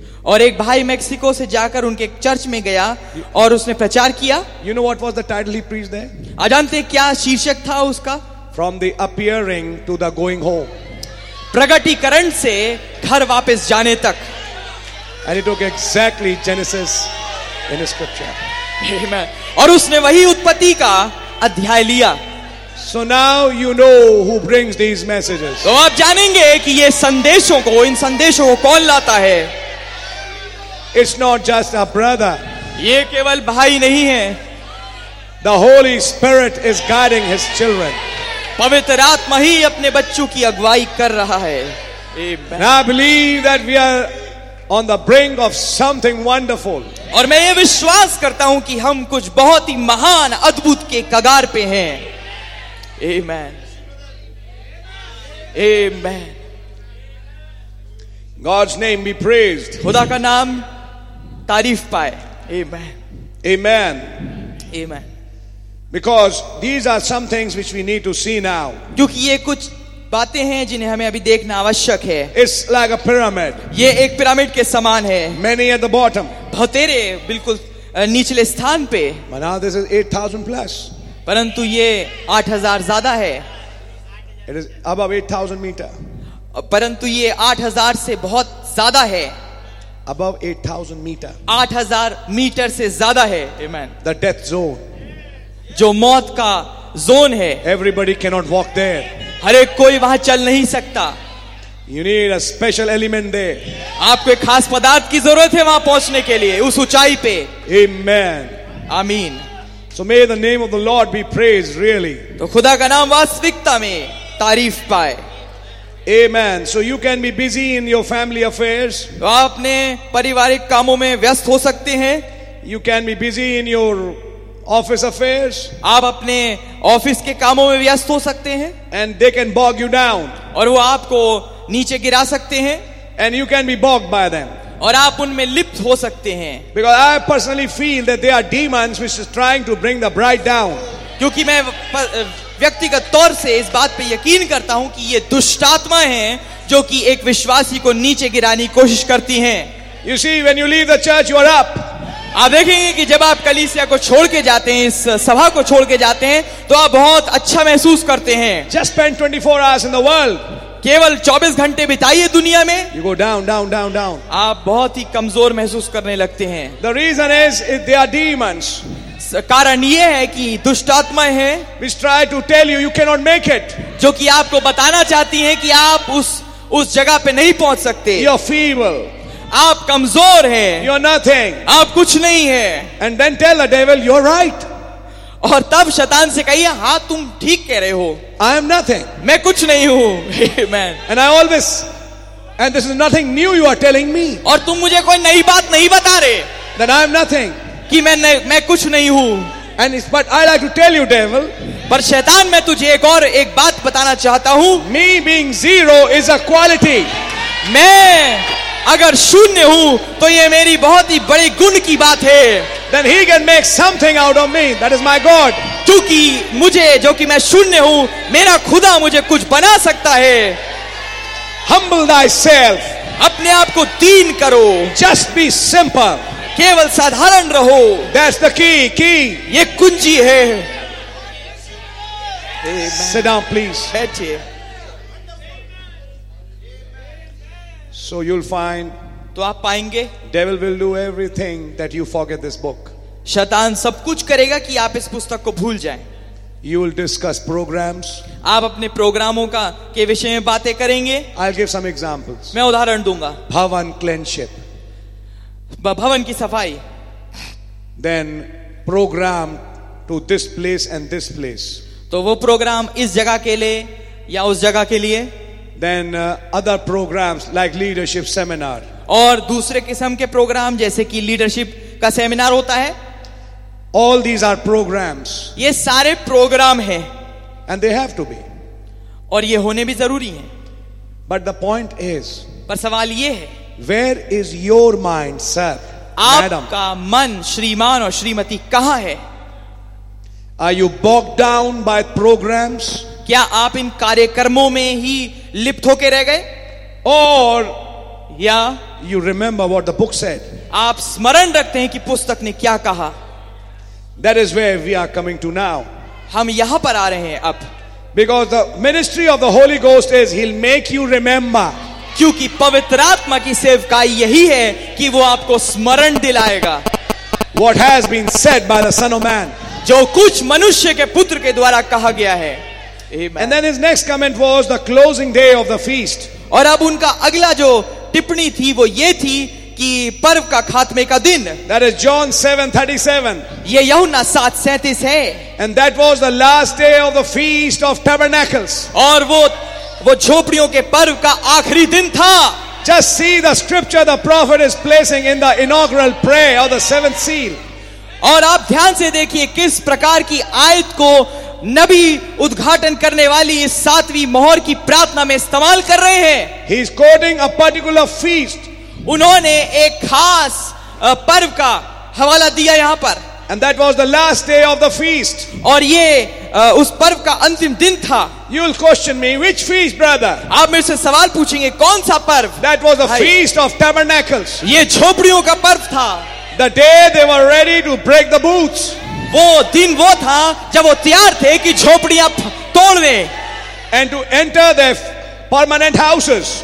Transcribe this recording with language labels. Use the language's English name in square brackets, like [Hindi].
[Hindi] और एक भाई मेक्सिको से जाकर उनके चर्च में गया और उसने प्रचार किया. [English] You know what was the title he preached there? [Hindi] अजानते क्या शीर्षक था उसका? [English] From the appearing to the going home. [Hindi] प्रगटीकरण से घर वापस जाने तक. [English] And he took exactly Genesis in his scripture. Amen. [Hindi] और उसने वही उत्पत्ति का अध्याय लिया. [English] So now you know who brings these messages. [Hindi] तो आप जानेंगे कि ये संदेशों को, इन संदेशों को कौन लाता है? [English] It's not just a brother. [Hindi] ये केवल भाई नहीं है. [English] The Holy Spirit is guiding his children. [Hindi] पवित्र आत्मा ही अपने बच्चों की अगुवाई कर रहा है. [English] And I believe that we are on the brink of something wonderful. [Hindi] और मैं ये विश्वास करता हूं कि हम कुछ बहुत ही महान अद्भुत के कगार पे हैं. [English] Amen. Amen. God's name be praised. [Hindi] खुदा का नाम तारीफ पाए. Amen. [English] Amen. Amen. Because these are some things which we need to see now. [Hindi] क्योंकि ये कुछ बातें हैं जिन्हें हमें अभी देखना आवश्यक है. [English] It's like a pyramid. [Hindi] ये एक पिरामिड के समान है. [English] Many at the bottom. [Hindi] बहुतेरे बिल्कुल निचले स्थान पे. [English] But now this is 8,000 plus. [Hindi] परंतु ये 8,000 ज्यादा है. [English] It is above 8,000 meter. [Hindi] परंतु ये 8,000 से बहुत ज्यादा है. [English] Above 8,000 meter. [Hindi] 8,000 मीटर से ज्यादा है. [English] Amen. The death zone. [Hindi] जो मौत का जोन है. [English] Everybody cannot walk there. [Hindi] हर एक कोई वहां चल नहीं सकता. [English] You need a special element there. [Hindi] आपको एक खास पदार्थ की जरूरत है वहां पहुंचने के लिए, उस ऊंचाई पे. [English] Amen. [Hindi] आमीन. [English] So may the name of the Lord be praised really. [Hindi] तो खुदा का नाम वास्तविकता में तारीफ पाए. [English] Amen. So you can be busy in your family affairs. [Hindi] तो आप अपने पारिवारिक कामों में व्यस्त हो सकते हैं. [English] You can be busy in your office affairs. [Hindi] आप अपने ऑफिस के कामों में व्यस्त हो सकते हैं. [English] And they can bog you down. [Hindi] और वो आपको नीचे गिरा सकते हैं. [English] And you can be bogged by them. [Hindi] और आप उनमें लिप्त हो सकते हैं. [English] Because I personally feel that they are demons which is trying to bring the bride down. [Hindi] क्योंकि मैं व्यक्तिगत तौर से इस बात पे यकीन करता हूं कि ये दुष्टात्मा हैं जो कि एक विश्वासी को नीचे गिराने की कोशिश करती हैं. [English] You see, when you leave the church, you are up. [Hindi] आप देखेंगे कि जब आप कलीसिया को छोड़ के जाते हैं, इस सभा को छोड़ के जाते हैं, तो आप बहुत अच्छा महसूस करते हैं. [English] Just spend 24 hours in the world. [Hindi] केवल 24 घंटे बिताइए दुनिया में. [English] You go down, down, down, down. [Hindi] आप बहुत ही कमजोर महसूस करने लगते हैं. [English] The reason is they are demons. [Hindi] कारण ये है कि दुष्टात्मा है. [English] Which try to tell you you cannot make it. [Hindi] जो कि आपको बताना चाहती है कि आप उस जगह पे नहीं पहुंच सकते. [English] You are feeble. [Hindi] आप कमजोर हैं. [English] You are nothing. [Hindi] आप कुछ नहीं है. [English] And then tell the devil you are right. [Hindi] और तब शैतान से कहिए, हाँ तुम ठीक कह रहे हो. [English] I am nothing. [Hindi] मैं कुछ नहीं हूँ. [English] And I always, and this is nothing new you are telling me. [Hindi] और तुम मुझे कोई नई बात नहीं बता रहे. [English] That I am nothing. [Hindi] कि मैं कुछ नहीं हूँ. [English] And it's, but I like to tell you devil. [Hindi] पर शैतान, मैं तुझे एक और एक बात बताना चाहता हूँ. [English] Me being zero is a quality. [Hindi] मैं अगर शून्य हूँ तो ये मेरी बहुत ही बड़े गुण की बात है. [English] Then he can make something out of me. That is my God. [Hindi] क्योंकि मुझे, जो कि मैं शून्य हूँ, मेरा खुदा मुझे कुछ बना सकता है. [English] Humble thyself. [Hindi] अपने आप को दीन करो. [English] Just be simple. [Hindi] केवल साधारण रहो. [English] That's the key. [Hindi] ये कुंजी है. [English] Sit down, please. [Hindi] बैठिए. [English] So you'll find. [Hindi] तो आप पाएंगे. [English] Devil will do everything that you forget this book. [Hindi] शैतान सब कुछ करेगा कि आप इस पुस्तक को भूल जाएं. [English] You will discuss programs. [Hindi] आप अपने प्रोग्रामों का के विषय में बातें करेंगे. [English] I'll give some examples. [Hindi] मैं उदाहरण दूंगा. [English] भवन cleanship. [Hindi] भवन की सफाई. [English] Then program to this place and this place. [Hindi] तो वो प्रोग्राम इस जगह के लिए या उस जगह के लिए. [English] Then other programs like leadership seminar. [Hindi] और दूसरे किस्म के प्रोग्राम, जैसे कि लीडरशिप का सेमिनार होता है. [English] All these are programs. [Hindi] ये सारे प्रोग्राम हैं. [English] And they have to be. [Hindi] और ये होने भी जरूरी हैं. [English] But the point is. [Hindi] पर सवाल ये है. [English] Where is your mind, sir? [Hindi] आपका मन, श्रीमान और श्रीमती कहाँ है? [English] Are you bogged down by programs? [Hindi] क्या आप इन कार्यक्रमों में ही लिप्त होके रह गए? [English] Or [Hindi] या [English] you remember what the book said? [Hindi] आप स्मरण रखते हैं कि पुस्तक ने क्या कहा? [English] That is where we are coming to now. [Hindi] हम यहां पर आ रहे हैं अब. [English] Because the ministry of the Holy Ghost is he'll make you remember. [Hindi] क्योंकि पवित्र आत्मा की सेवकाई यही है कि वो आपको स्मरण दिलाएगा. [English] What has been said by the Son of Man? [Hindi] जो कुछ मनुष्य के पुत्र के द्वारा कहा गया है. [English] And then his next comment was the closing day of the feast. [Hindi] और अब उनका अगला जो टिप्पणी थी वो ये थी कि पर्व का खात्मे का दिन. [English] That is John 7:37. [Hindi] ये यूहन्ना 7:37 है. [English] And that was the last day of the feast of tabernacles. [Hindi] और वो झोपड़ियों के पर्व का आखिरी दिन था. [English] Just see the scripture the prophet is placing in the inaugural prayer of the seventh seal. [Hindi] और आप ध्यान से देखिए किस प्रकार की आयत को नबी उद्घाटन करने वाली इस सातवीं मोहर की प्रार्थना में इस्तेमाल कर रहे हैं. [English] He is quoting a particular feast. [Hindi] उन्होंने एक खास पर्व का हवाला दिया यहां पर. [English] And that was the last day of the feast. [Hindi] और ये उस पर्व का अंतिम दिन था. [English] You'll question me, which feast, brother? [Hindi] आप मेरे से सवाल पूछेंगे कौन सा पर्व? [English] That was the feast of tabernacles. [Hindi] ये झोपड़ियों का पर्व था. [English] The day they were ready to break the booths. [Hindi] वो दिन वो था जब वो तैयार थे कि झोपड़ियां तोड़ दें. [English] And to enter their permanent houses.